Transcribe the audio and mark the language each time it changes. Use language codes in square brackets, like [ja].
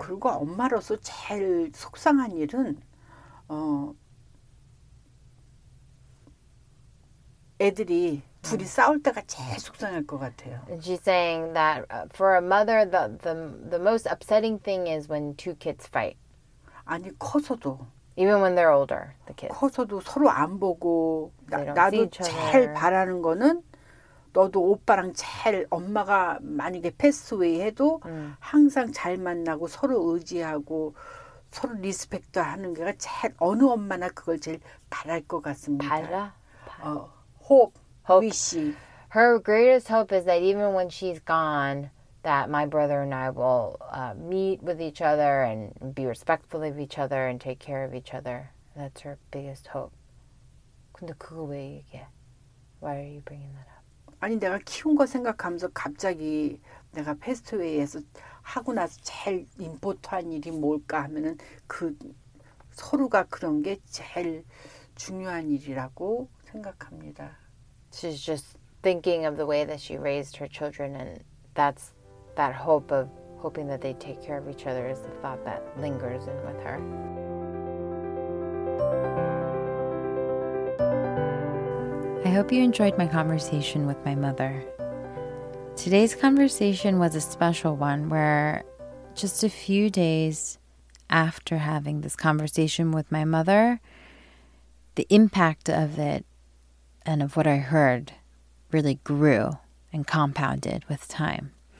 [ko] 그리고 엄마로서 제일 속상한 일은 애들이 둘이 싸울 때가 제일 속상할 것 같아요. [en] And she's saying that for a mother, the most upsetting thing is when two kids fight. [ko] 아니 커서도. [en] Even when they're older, the kids. [ko] 커서도 서로 안 보고 나도 제일 바라는 거는 너도 오빠랑 제일 엄마가 만약에 패스웨이 해도 항상 잘 만나고 서로 의지하고. 서로 리스펙트 하는 게 제일 어느 엄마나 그걸 제일 바랄 것 같습니다. 바라? [en] hope, wish. Her greatest hope is that even when she's gone, that my brother and I will meet with each other and be respectful of each other and take care of each other. That's her biggest hope. [ko] 근데 그거 왜 얘기해? [en] Why are you bringing that up? [ko] 아니, 내가 키운 거 생각하면서 갑자기 내가 패스트웨이에서 하고 나서 제일 임포트한 일이 뭘까 하면은 그 서로가 그런 게 제일 중요한 일이라고 생각합니다. [en] She's just thinking of the way that she raised her children and that's that hope of hoping that they take care of each other is the thought that lingers in with her. 'I hope you enjoyed my conversation with my mother. Today's conversation was a special one where just a few days after having this conversation with my mother, the impact of it and of what I heard really grew and compounded with time.